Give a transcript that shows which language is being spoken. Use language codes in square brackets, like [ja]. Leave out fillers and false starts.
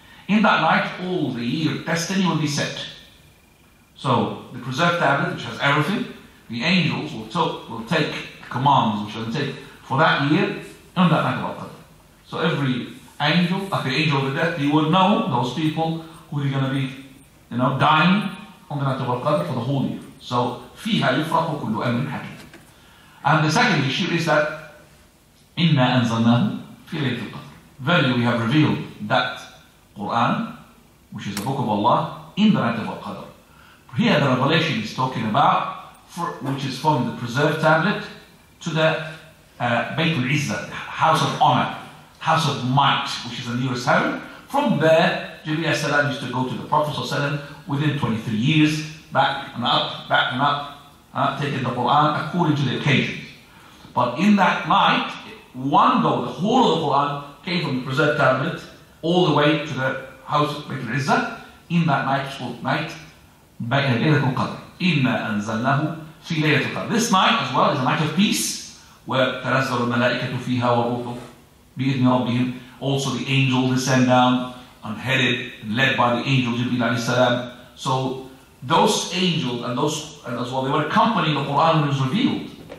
[en] In that night, all the year destiny will be set. So the preserved tablet, which has everything, the angels will take the commands, which are going to take for that year, on that night of Al-Qadr. So every angel, like the angel of the death, he would know those people who are going to be, you know, dying on the night of Al-Qadr for the whole year. [ar] So, فِيهَا يُفْرَقُ كُلُّ أَمْرٍ حَكِيمٍ. [en] And the second issue is that [ar] إِنَّا أَنْزَلْنَاهُ فِي لَيْلَةِ الْقَدْرِ. [en] Verily, we have revealed that Qur'an, which is the book of Allah, in the night of Al-Qadr. Here, the revelation is talking about, which is from the preserved tablet, to the Bayt al-Izzah, house of honor, house of might, which is the nearest heaven. From there, Jibreel Salam used to go to the Prophet within 23 years, back and up, taking the Quran according to the occasions. But in that night, one go, the whole of the Quran came from the preserved tablet all the way to the house of Bayt al-Izzah in that night, which is called night, [ar] بين ليلة القدر. إنا أنزلناه في ليلة القدر. [en] This night as well is a night of peace where [ar] تنزل الملائكة فيها وروح بإذن ربهم. [en] Also the angels descend down. Unheaded, led by the angel Jibreel alayhi salam. So those angels and those and as well, they were accompanying the Quran when it was revealed.